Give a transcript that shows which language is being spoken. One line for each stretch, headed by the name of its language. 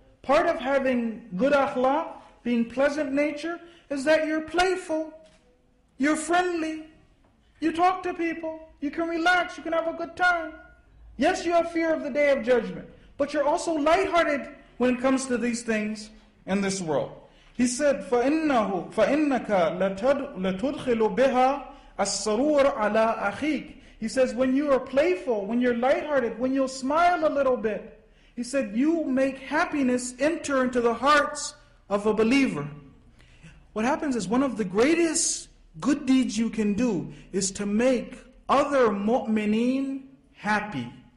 English: Part of having good akhlaq, being pleasant nature, is that you're playful, you're friendly, you talk to people, you can relax, you can have a good time. Yes, you have fear of the Day of Judgment, but you're also lighthearted when it comes to these things in this world. He said,
Arabic: فَإِنَّكَ لَتُدْخِلُ بِهَا السَّرُورَ عَلَىٰ أَخِيكَ.
English: He says, when you are playful, when you're lighthearted, when you'll smile a little bit, he said, you make happiness enter into the hearts of a believer. What happens is one of the greatest good deeds you can do is to make other mu'mineen happy.